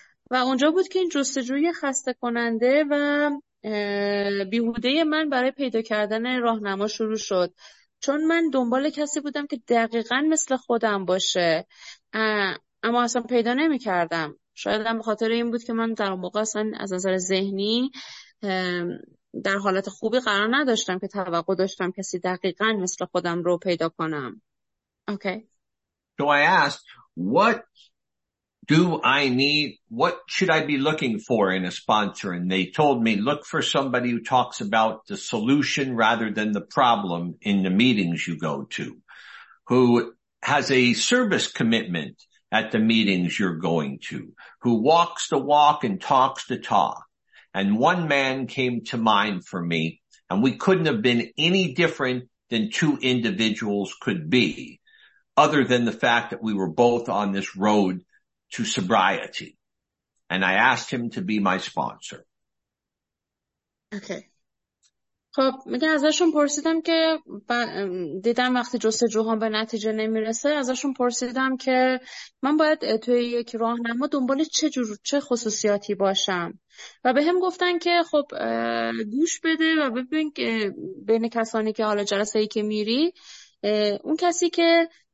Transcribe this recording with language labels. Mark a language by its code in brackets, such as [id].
[fa] و اونجا بود که این جستجوی خسته کننده و بیهوده من برای پیدا کردن راهنما شروع شد، چون من دنبال کسی بودم که دقیقاً مثل خودم باشه اما اصلا پیدا نمی کردم. شاید هم بخاطر این بود که من در اون موقع اصلا از نظر ذهنی در حالت خوبی قرار نداشتم که توقع داشتم کسی دقیقاً مثل خودم رو پیدا کنم. اوکی. [en] So I asked, what do I need? What should I be looking for in a sponsor? And they told me, look for somebody who talks about the solution rather than the problem in the meetings you go to, who has a service commitment at the meetings you're going to, who walks the walk and talks the talk. And one man came to mind for me, and we couldn't have been any different than two individuals could be, other than the fact that we were both on this road to sobriety. And I asked him to be my sponsor. Okay. [fa] خب میگه ازشون پرسیدم که دیدم وقتی جستجوهام به نتیجه نمیرسه ازشون پرسیدم که من باید توی یک راهنما دنبال چه خصوصیاتی باشم و به هم گفتن که خب گوش بده و ببین که بین کسانی که حالا جلسه ای که میری اون کسی که